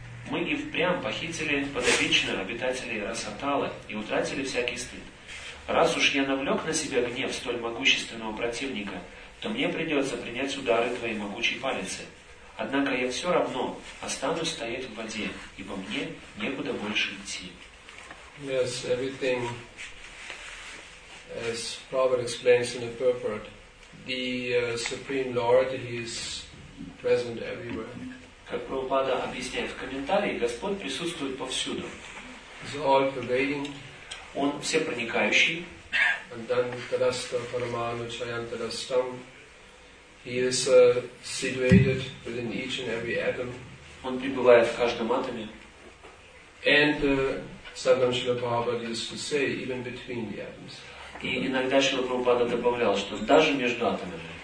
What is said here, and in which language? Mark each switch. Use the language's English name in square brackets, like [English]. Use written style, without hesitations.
[Russian] Мы и впрямь похитили подопечных обитателей Расатала и утратили всякий стыд. Раз уж я навлек на себя гнев столь могущественного противника, то мне придется принять удары твоей могучей палицы. Однако я все равно останусь стоять в воде, ибо мне некуда больше идти. [English] Yes, everything, as Prabhupada explains in the purport, the Supreme Lord, He is present everywhere. [Russian] Как Прабхупада объясняет в комментарии, Господь присутствует повсюду. [English] He's all-pervading. [Russian] Он всепроникающий. [English] And then [Sanskrit] tadastha paramanu chayam tadastham. [English] He is situated within each and every atom. [Russian] Он пребывает в каждом атоме. [English] And sometimes Srila Prabhupada used to say, even between the atoms. [Russian] И иногда Шрила Прабхупада добавлял, что даже между атомами.